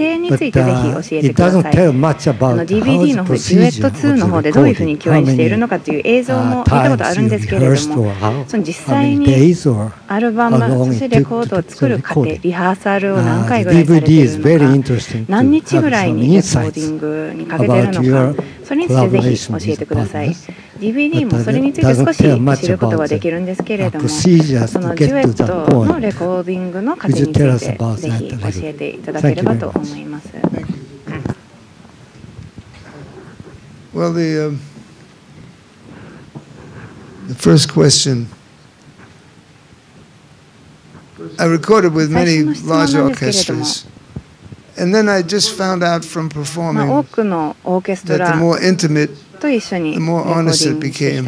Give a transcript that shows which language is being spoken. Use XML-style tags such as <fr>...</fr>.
<en>it doesn't tell much about how the procedure was recorded, how many times you rehearsed or how many days or how long it took to record it. DVD is very interesting to have some insights about your collaboration with a partner.</en> <ja>DVD もそれについて少し知ることはできるんですけれども、そのデュエットのレコーディングの過程についてぜひ教えていただければと思います。</ja> <en>Thank you. Thank you. Thank you. Thank you. Well, the first question, I recorded with many large orchestras. And then I just found out from performing that the more intimate, the more honest it became.</en>